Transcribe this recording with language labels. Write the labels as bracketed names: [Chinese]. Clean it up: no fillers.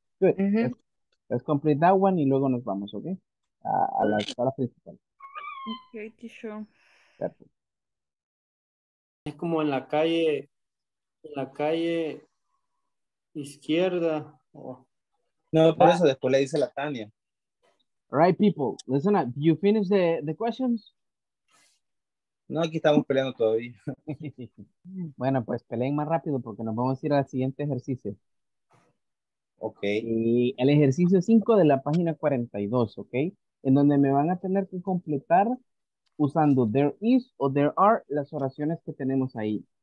[English] Good. Mm-hmm. Let's complete that one [Spanish] y luego nos vamos, [English] okay? [Spanish] A la principal. [English] Okay, teacher. Perfect. [Spanish] Es como en la calle izquierda. No, por eso después le dice la Tania. [English] All right, people, listen up. Do you finish the questions? [Spanish] No, aquí estamos peleando todavía. Bueno, pues peleen más rápido porque nos vamos a ir al siguiente ejercicio. Ok. Y el ejercicio 5 de la página 42, ok. En donde me van a tener que completar usando there is o there are las oraciones que tenemos ahí.